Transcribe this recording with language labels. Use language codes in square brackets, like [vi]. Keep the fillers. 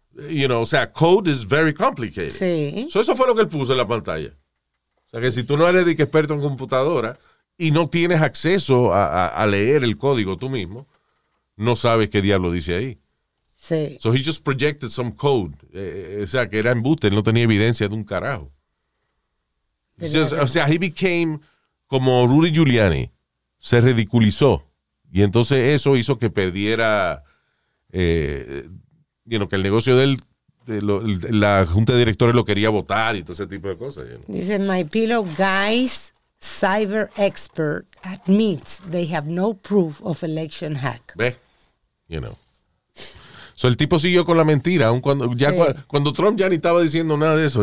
[en] You know, [es] o sea, [en] code is very complicated. [es] Sí. So, eso fue lo que él puso en la pantalla. O sea, que si tú no eres de que experto en computadora y no tienes acceso a, a- a leer el código tú mismo, no sabes qué diablo dice ahí. Sí. [en] So he just projected some code. [es] Eh, eh, o sea, que era embuste, él no tenía evidencia de un carajo. O sea, o sea, [en] he became [es] como Rudy Giuliani. Se ridiculizó. Y entonces eso hizo que perdiera, eh, [en] you know, [es] que el negocio del, de lo- la junta de directores lo quería votar y todo ese tipo de cosas. [en] you know. [es] Dice [en] My Pillow Guys cyber expert admits they have no proof of election hack. [es] ¿Ves? [en] You know. [es] So, el tipo siguió con la mentira, aun cuando, ya, Sí. cua- cuando Trump ya ni estaba diciendo nada de eso.